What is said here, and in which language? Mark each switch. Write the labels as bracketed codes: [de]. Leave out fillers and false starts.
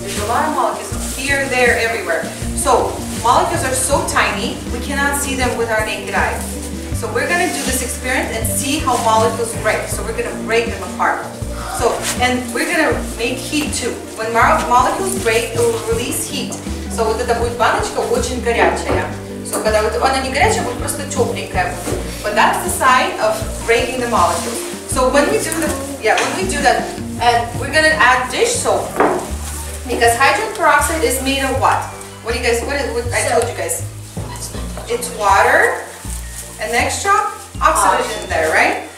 [en] There's a lot of molecules here, there, everywhere. So molecules are so tiny, we cannot see them with our naked eye. So we're going to do this experiment and see how molecules break. So we're going to break them apart. So, and we're going to make heat too. When molecules break, it will release heat. [ru] So вот эта будет баночка очень горячая. So когда вот она не горячая, будет просто тепленькая. [en] But that's the sign of breaking the molecules. So when we do that, and we're going to add dish soap. Because hydrogen peroxide is made of what? What do you guys, I told you guys, it's water, an extra oxygen there, right?